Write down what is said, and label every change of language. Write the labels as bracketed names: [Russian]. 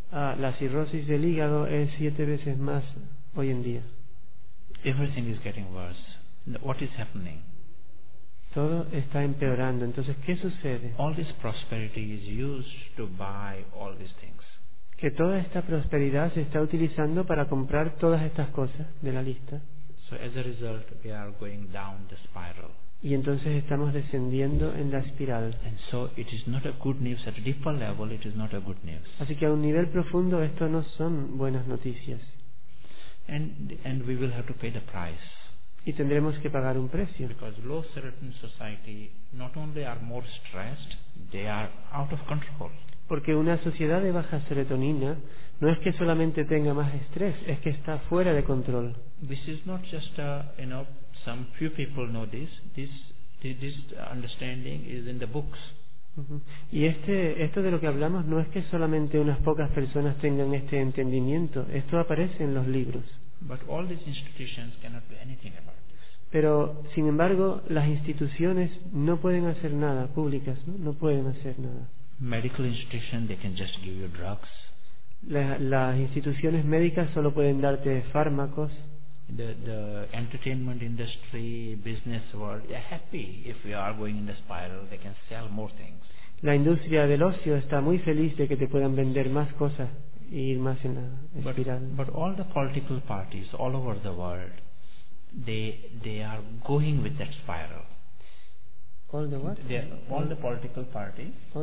[Spanish] La cirrosis del hígado es 7 veces más hoy en día. [English] Everything is getting worse. What is happening? [Spanish] Todo está empeorando. Entonces, ¿qué sucede? [English] All this prosperity is used to buy all these things. [Spanish] Que toda esta prosperidad se está utilizando para comprar todas estas cosas de la lista. [English] So as a result, we are going down the spiral. [Spanish] Y entonces estamos descendiendo en la espiral. [English] And so it is not a good news. At a deeper level, it is not a good news. [Spanish] Así que a un nivel profundo, esto no son buenas noticias. [English] And we will have to pay the price. [Spanish] Y tendremos que pagar un precio. [English] Because low serotonin society not only are more stressed, they are out of control. [Spanish] Porque una sociedad de baja serotonina no es que solamente tenga más estrés, es que está fuera de control. [English] This is not just a, you know, some few people know this. This understanding is in the books. Uh-huh. [Spanish] Y esto de lo que hablamos no es que solamente unas pocas personas tengan este entendimiento. Esto aparece en los libros. [English] But all these institutions cannot do anything about this. [Spanish] Pero, sin embargo, las instituciones no pueden hacer nada, públicas, ¿no? No pueden hacer nada. [English] Medical institutions, they can just give you drugs. [Spanish] Las instituciones médicas solo pueden darte fármacos. [English] The entertainment industry, business world, they're happy if we are going in the spiral, they can sell more things. [Spanish] La industria del ocio está muy feliz de que te puedan vender más cosas. Ir más en la espiral. [English] But all the political parties all over the world, they are going with that spiral. All the what? All the political parties.